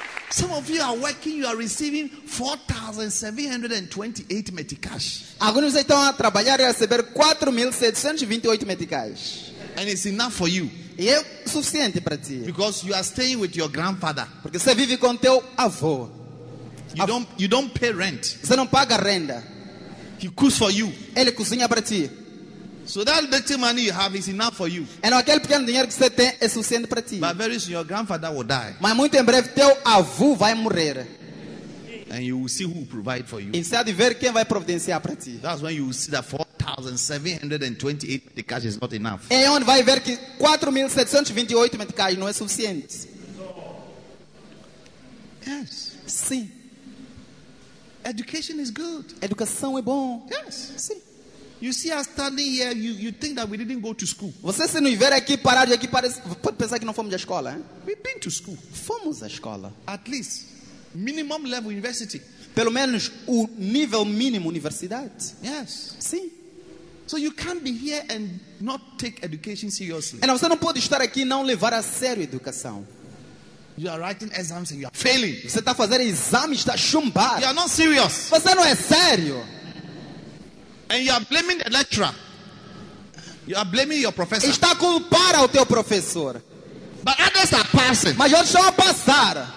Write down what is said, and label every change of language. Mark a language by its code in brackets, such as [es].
[en] Some of you are working, you are receiving 4,728 meticais. [pt] Alguns de vocês estão a trabalhar e receber 4,728 meticais. [en] And it's enough for you. [pt] E é suficiente para ti. [en] Because you are staying with your grandfather. [pt] Porque você vive com teu avô. [en] You don't pay rent. [pt] Você não paga renda. [en] He cooks for you. [pt] Ele cozinha para ti. [en] So that little money you have is enough for you. [pt] Então aquele pequeno dinheiro que você tem é suficiente para ti. [en] But very soon your grandfather will die. [pt] Mas muito em breve teu avô vai morrer. [en] And you will see who will provide for you. [pt] Instead de ver quem vai providenciar para ti. [en] That's when you will see that 4,728 meticais is not enough. [pt] É onde vai ver que 4,728 meticais não é suficiente. [en] Yes. [pt] Sim. [en] Education is good. [pt] Educação é bom. [en] Yes. [pt] Sim. [en] You see us standing here, you think that we didn't go to school. [pt] Você se nos ver aqui parado aqui parece, pode pensar que não fomos à escola, hein? [en] We've been to school. [pt] Fomos à escola. [en] At least minimum level university. [pt] Pelo menos o nível mínimo universidade. [en] Yes. [pt] Sim. [en] So you can't be here and not take education seriously. [pt] Então você não pode estar aqui e não levar a sério a educação. [en] You are writing exams and you are failing. [pt] Você está fazendo exames, está chumbado. [en] You are not serious. [pt] Você não é sério. [en] And you are blaming the lecturer. You are blaming your professor. [pt] Está culpando o teu professor. [en] But others are passing. [pt] Mas outros vão passar.